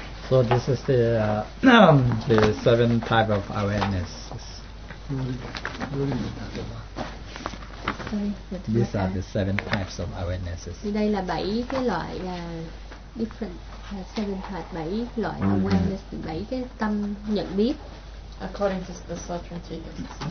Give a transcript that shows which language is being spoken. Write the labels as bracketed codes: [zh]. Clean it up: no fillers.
[en] So this is the the seven type of awareness. These are the seven types of awarenesses. [vi] Đây là bảy cái loại [en] different seven types, [vi] bảy loại awareness, bảy cái tâm nhận biết. [en] According to the Sutra Teachings.